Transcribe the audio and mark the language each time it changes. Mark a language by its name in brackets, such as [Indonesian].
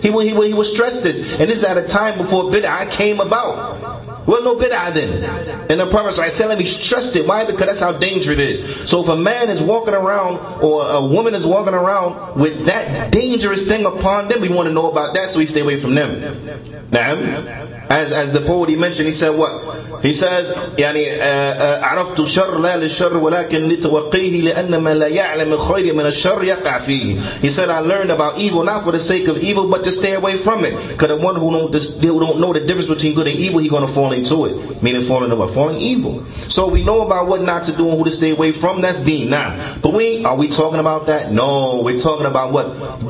[English] He will stress this. And this is at a time before bid'ah came about. Well, no bid'ah then. And the Prophet sallallahu alaihi wasallam, he stressed it. Why? Because that's how dangerous it is. So if a man is walking around or a woman is walking around with that dangerous thing upon them, we want to know about that so we stay away from them. Naam. As the poet he mentioned, he said what? He says, [Arabic] يعني عرفت شر لا للشر ولكن لتوقيه لأن من لا يعلم الخير من الشر يقع فيه. [English] He said, I learned about evil not for the sake of evil, but to stay away from it. Because the one who don't know the difference between good and evil, he's going to fall into it. Meaning falling into what? Falling evil. So we know about what not to do and who to stay away from. That's deen. Now, but are we talking about that? No, we're talking about what?